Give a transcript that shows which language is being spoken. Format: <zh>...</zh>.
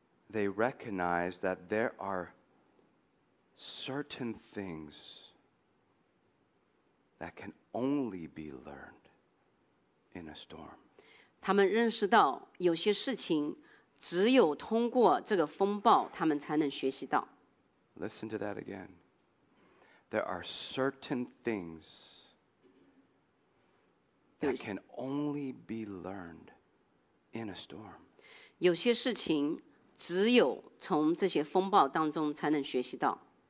<en>They recognize that there are certain things that can only be learned in a storm.</en> <zh>他们认识到有些事情只有通过这个风暴他们才能学习到。</zh> <en>Listen to that again. There are certain things that can only be learned in a storm.</en> <zh>有些事情只有从这些风暴当中才能学习到。</zh>